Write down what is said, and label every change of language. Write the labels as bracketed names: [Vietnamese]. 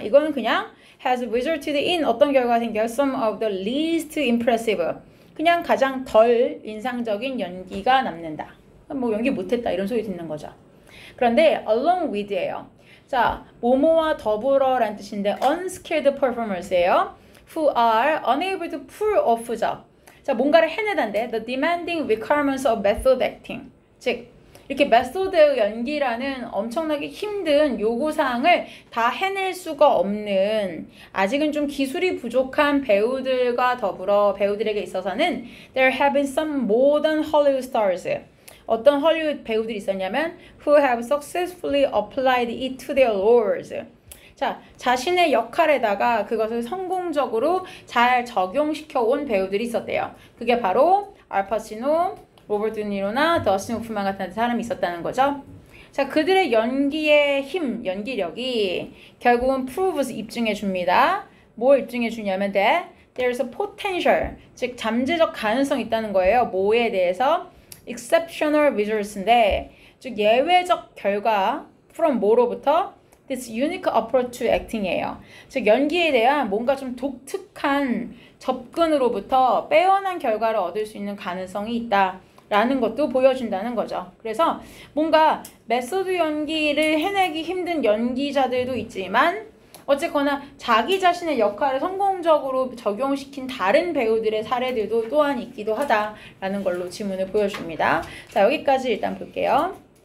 [Korean] 이거는 그냥 [English] has resulted in [Korean] 어떤 결과가 생겨 [English] some of the least impressive [Korean] 그냥 가장 덜 인상적인 연기가 남는다. 뭐 연기 못했다 이런 소리 듣는 거죠. 그런데 [English] along with [Korean] 예요. 자, 모모와 더불어란 뜻인데 [English] unskilled performers [Korean] 예요. [English] Who are unable to pull off죠. [Korean] 자, 뭔가를 해내다인데 [English] the demanding requirements of method acting. [Korean] 즉, 이렇게 메소드 연기라는 엄청나게 힘든 요구사항을 다 해낼 수가 없는 아직은 좀 기술이 부족한 배우들과 더불어 배우들에게 있어서는 [English] there have been some modern Hollywood stars. [Korean] 어떤 헐리우드 배우들이 있었냐면 [English] who have successfully applied it to their roles. [Korean] 자, 자신의 역할에다가 그것을 성공적으로 잘 적용시켜 온 배우들이 있었대요. 그게 바로 알파치노, 로버트 드니로나 더스틴 호프만 같은 사람이 있었다는 거죠. 자, 그들의 연기의 힘, 연기력이 결국은 proves 입증해 줍니다. 뭐 입증해 주냐면 돼. [English] There's a potential, [Korean] 즉 잠재적 가능성이 있다는 거예요. 뭐에 대해서? [English] Exceptional results [Korean] 인데, 즉 예외적 결과 from 뭐로부터? [English] This unique approach to acting이에요. [Korean] 즉 연기에 대한 뭔가 좀 독특한 접근으로부터 빼어난 결과를 얻을 수 있는 가능성이 있다라는 것도 보여준다는 거죠. 그래서 뭔가 메소드 연기를 해내기 힘든 연기자들도 있지만, 어쨌거나 자기 자신의 역할을 성공적으로 적용시킨 다른 배우들의 사례들도 또한 있기도 하다라는 걸로 지문을 보여줍니다. 자, 여기까지 일단 볼게요.